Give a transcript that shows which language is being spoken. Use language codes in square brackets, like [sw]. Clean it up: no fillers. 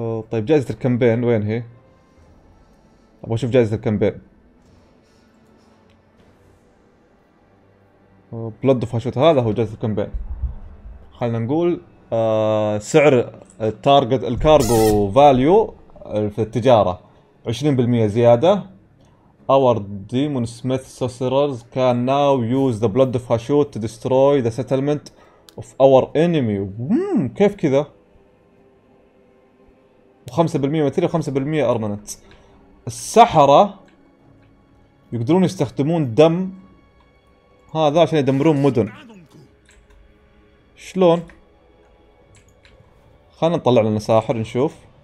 [ar] طيب جائزة الكامبين وين هي؟ ابغى اشوف جائزة الكامبين. بلود فاشوت، هذا هو جائزة الكامبين. خلنا نقول سعر التارجت الكارغو فاليو في التجارة 20% زيادة. [en] Our demon smith sorcerers can now use the blood of Hashut to destroy the settlement of our enemy. [ar] كيف كذا؟ 5% ماتيريال، 5% ارمننت. السحرة يقدرون يستخدمون دم هذا عشان يدمرون مدن. شلون؟ خلنا نطلع لنا ساحر نشوف.